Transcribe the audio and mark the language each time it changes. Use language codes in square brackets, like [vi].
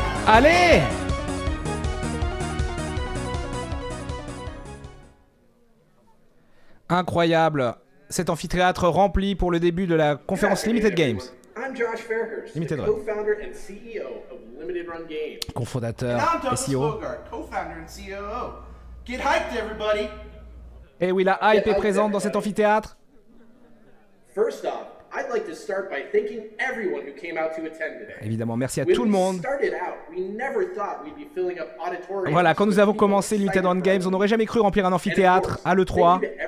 [fr] Allez! Incroyable! Cet amphithéâtre rempli pour le début de la conférence Limited Games. [en] I'm Josh Fairhurst, Limited Run. Co-founder and CEO of Limited Run Games. [fr] Co-fondateur et CEO. [en] And I'm Douglas Bogart, co-founder and COO. Get hyped, everybody! [fr] Et oui, la hype est présente dans cet amphithéâtre. [en] First off, I'd like to start by thanking everyone who came out to attend today. [fr] Évidemment, merci à [en] When [fr] tout le monde. [en] When we started out, we never thought we'd be filling up auditoriums. [fr] Voilà, quand nous avons commencé Limited Run Games, on n'aurait jamais cru remplir un amphithéâtre à l'E3.